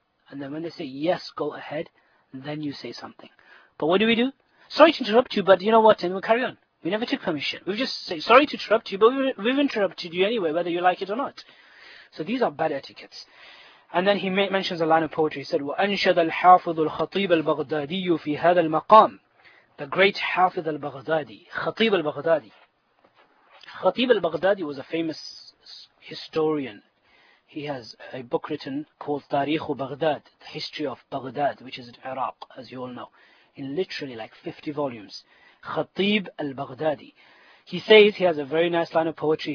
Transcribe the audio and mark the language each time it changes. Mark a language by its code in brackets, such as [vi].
[en] And then when they say yes, go ahead, then you say something. But what do? Sorry to interrupt you, but you know what, and we'll carry on. We never took permission. We just say, sorry to interrupt you, but we've interrupted you anyway, whether you like it or not. So these are bad etiquettes. And then he mentions a line of poetry. He said, [ar] وَأَنْشَدَ الْحَافِظُ الْخَطِيبَ الْبَغْدَادِيُّ فِي هَذَا الْمَقَامِ. [en] The great Hafiz al-Baghdadi, Khatib al-Baghdadi. Khatib al-Baghdadi was a famous historian. He has a book written called Tariq al-Baghdad, the history of Baghdad, which is in Iraq, as you all know, in literally like 50 volumes. Khatib al-Baghdadi. He says, he has a very nice line of poetry.